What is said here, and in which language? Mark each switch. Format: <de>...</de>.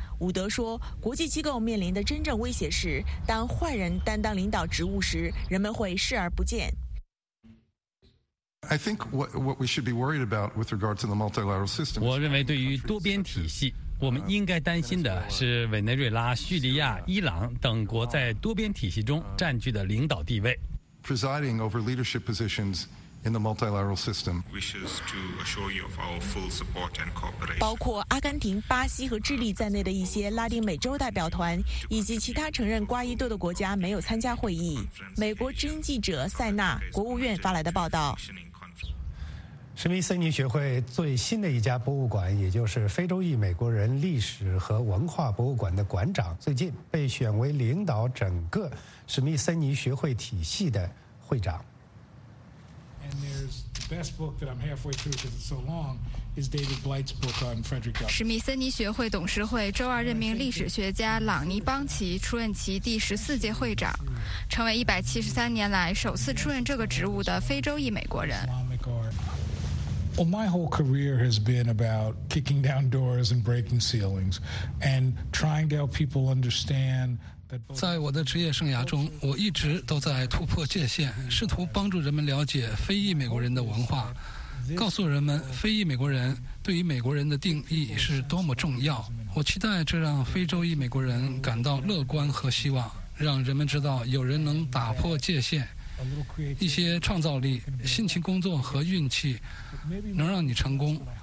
<zh>伍德说，国际机构面临的真正威胁是，当坏人担当领导职务时，人们会视而不见。我认为对于多边体系，我们应该担心的是委内瑞拉、叙利亚、伊朗等国在多边体系中占据的领导地位。</zh> <en>Presiding over leadership positions in the multilateral system. Wishes to assure you of our full support and cooperation.</en> <zh>包括阿根廷、巴西和智利在内的一些拉丁美洲代表团以及其他承认瓜伊多的国家没有参加会议。美国之音记者塞纳，国务院发来的报道。史密森尼学会最新的一家博物馆，也就是非洲裔美国人历史和文化博物馆的馆长，最近被选为领导整个史密森尼学会体系的会长。史密森尼学会董事会周二任命历史学家朗尼·邦奇出任其第14届会长，成为173年来首次出任这个职务的非洲裔美国人。</zh> <en>Well, my whole career has been about kicking down doors and breaking ceilings and trying to help people understand.</en> <zh>在我的职业生涯中，我一直都在突破界限，试图帮助人们了解非裔美国人的文化，告诉人们非裔美国人对于美国人的定义是多么重要。我期待这让非洲裔美国人感到乐观和希望，让人们知道有人能打破界限，一些创造力、辛勤工作和运气能让你成功。</zh>